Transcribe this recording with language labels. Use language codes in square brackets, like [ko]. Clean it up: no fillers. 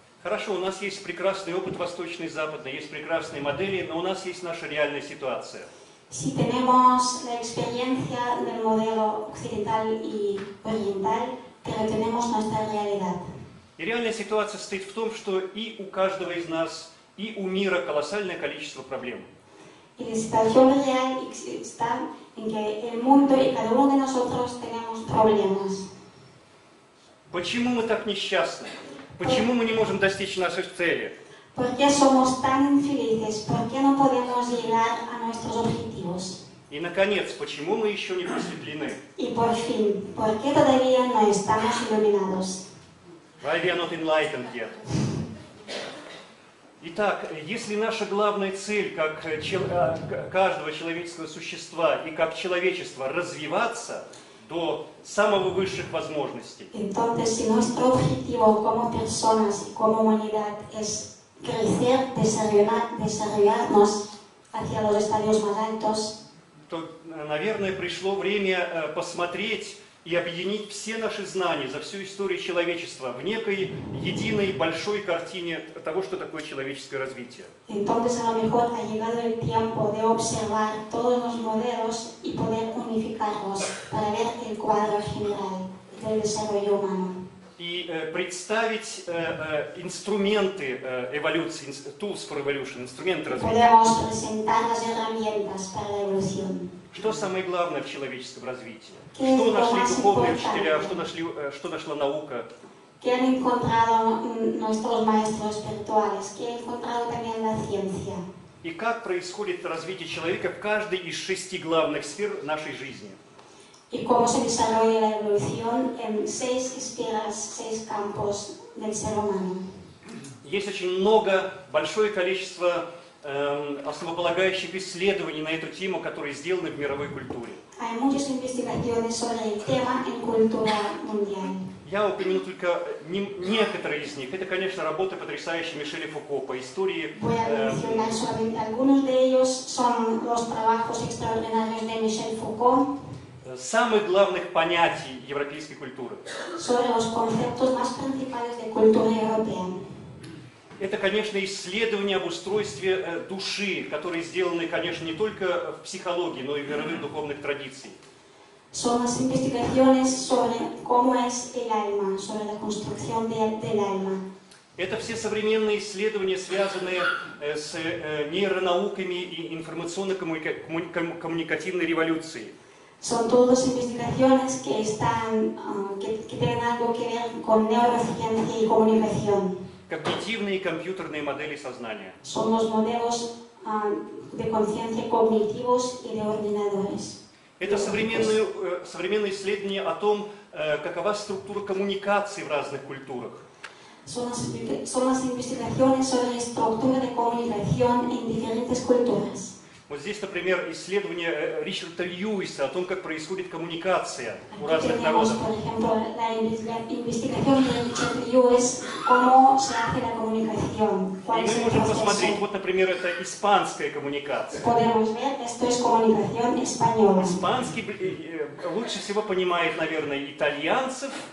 [ru] Хорошо, у нас есть прекрасный опыт восточный и западный, есть прекрасные модели, но у нас есть наша реальная ситуация. [es] Si tenemos la experiencia del modelo occidental y oriental, pero tenemos nuestra realidad. [ru] И реальная ситуация состоит в том, что и у каждого из нас, и у мира колоссальное количество проблем. [es] Y la situación real está en que el mundo y cada uno de nosotros tenemos problemas. [ru] ¿Почему мы так несчастны? ¿Почему мы не можем достичь наших целей? [es] ¿Por qué somos tan infelices? ¿Por qué no podemos llegar a nuestros objetivos? Y, [ru] наконец, ¿почему мы еще не просветлены? [es] Y por fin, ¿por qué todavía no estamos iluminados? [en] Why we are not enlightened yet? [ru] Итак, если наша главная цель, как каждого человеческого существа и как человечества, развиваться до самых высших возможностей. [es] Entonces, si nuestro objetivo como personas y como humanidad es crecer, desarrollarnos hacia los estadios más altos, [ru] то, наверное, пришло время посмотреть и объединить все наши знания за всю историю человечества в некой единой большой картине того, что такое человеческое развитие. [es] Entonces, a lo mejor ha llegado el tiempo de observar todos los modelos y poder unificarlos para ver el cuadro general del desarrollo humano. [ru] И представить инструменты эволюции, [en] tools for evolution, [ru] инструменты развития. [es] Podemos presentar las herramientas para la evolución. [ru] Что самое главное в человеческом развитии? Что нашли духовные учителя? Что нашла наука? [es] ¿Qué han encontrado nuestros maestros espirituales? ¿Qué ha encontrado también la ciencia? [ru] И как происходит развитие человека в каждой из шести главных сфер нашей жизни? [es] ¿Y cómo se desarrolla la evolución en seis esferas, seis campos del ser humano? [ru] Есть очень много, большое количество основополагающих исследований на эту тему, которые сделаны в мировой культуре. [es] Hay muchas investigaciones sobre el tema en cultura mundial. [ru] Я упомяну только некоторые из них. Это, конечно, работы потрясающие Мишеля Фуко по истории. [es] Voy a mencionar solamente algunos de ellos. Son los trabajos extraordinarios de Michel Foucault. [ru] Самых главных понятий европейской культуры. [es] Sobre los conceptos más principales de cultura europea. [ru] Это, конечно, исследования об устройстве души, которые сделаны, конечно, не только в психологии, но и в мировых духовных традициях. [es] Son las investigaciones sobre cómo es el alma, sobre la construcción del alma. [ru] Это все современные исследования, связанные с нейронауками и информационно-коммуникативной революцией. [es] Son todas investigaciones que están que tienen algo que ver con neurociencia y comunicación. [ru] Когнитивные и компьютерные модели сознания. [es] Son los modelos de conciencia cognitivos y de ordenadores. [ru] Это современные исследования о том, какова структура коммуникации в разных культурах. [es] Son las investigaciones sobre la estructura de comunicación en diferentes culturas. [ru] Вот здесь, например, исследование Ричарда Льюиса о том, как происходит коммуникация у разных народов. [es] Por ejemplo, la investigación de Richard Lewis, cómo se hace la comunicación. [ru] Мы можем посмотреть, вот, например, это испанская коммуникация. [es] Podemos ver, esto es comunicación española. [ru] Испанский лучше всего понимает, наверное, итальянцев.